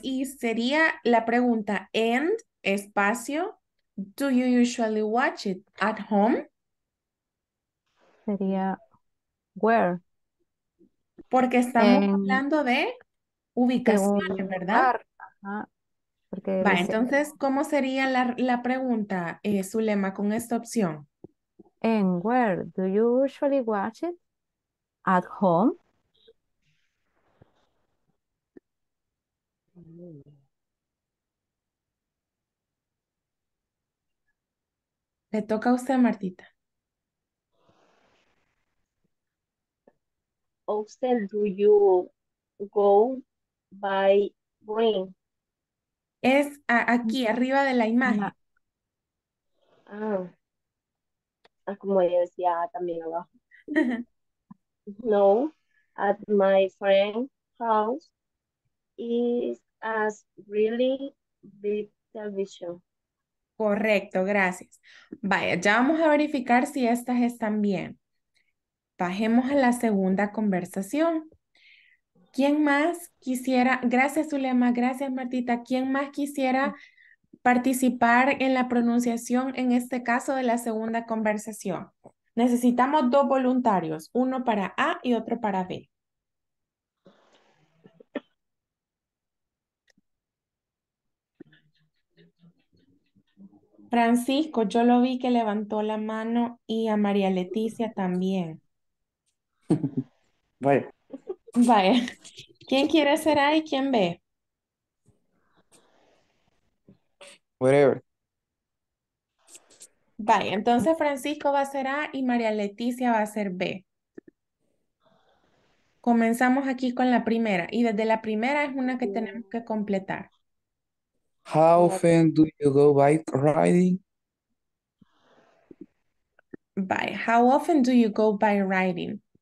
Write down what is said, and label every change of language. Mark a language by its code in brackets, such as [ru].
[es] Y sería la pregunta, [en] and espacio, do you usually watch it at home? [es] Sería where. Porque estamos hablando de ubicaciones, ¿verdad? Ajá. Porque va, entonces, ¿cómo sería la pregunta, Zulema, con esta opción? [en] And where do you usually watch it? At home. [es] Le toca a usted, Martita. [en] Often do you go by train? [es] Es aquí arriba de la imagen. Ah, como yo decía también abajo. [en] No, at my friend's house is as really big television. [es] Correcto, gracias. Vaya, ya vamos a verificar si estas están bien. Bajemos a la segunda conversación. ¿Quién más quisiera? Gracias, Zulema. Gracias, Martita. ¿Quién más quisiera participar en la pronunciación en este caso de la segunda conversación? Necesitamos dos voluntarios, uno para A y otro para B. Francisco, yo lo vi que levantó la mano y a María Leticia también. Vaya. Vaya. ¿Quién quiere ser A y quién B? [en] Whatever. [es] Vaya, entonces Francisco va a ser A y María Leticia va a ser B. Comenzamos aquí con la primera y desde la primera es una que tenemos que completar. [en] How often do you go bike riding? Vaya, how often do you go bike riding?